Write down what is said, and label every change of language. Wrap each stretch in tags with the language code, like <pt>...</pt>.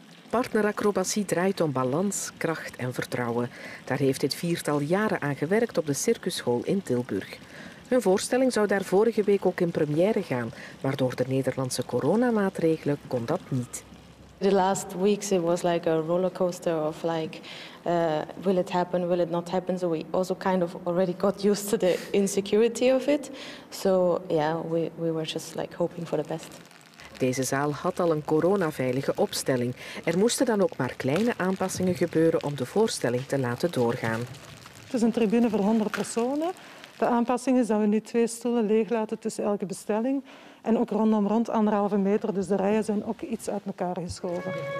<nl>Partneracrobatie draait om balans, kracht en vertrouwen. Daar heeft dit viertal jaren aan gewerkt op de Circusschool in Tilburg. Hun voorstelling zou daar vorige week ook in première gaan, maar door de Nederlandse coronamaatregelen kon dat niet.</nl> <en>The last weeks it was like a rollercoaster of like will it happen, will it not happen. So we also kind of already got used to the insecurity of it. So yeah, we were just like hoping for the best.</en> <nl>Deze zaal had al een coronaveilige opstelling. Er moesten dan ook maar kleine aanpassingen gebeuren om de voorstelling te laten doorgaan. Het is een tribune voor 100 personen. De aanpassing is dat we nu 2 stoelen leeg laten tussen elke bestelling. En ook rondom rond 1,5 meter, dus de rijen zijn ook iets uit elkaar geschoven.</nl>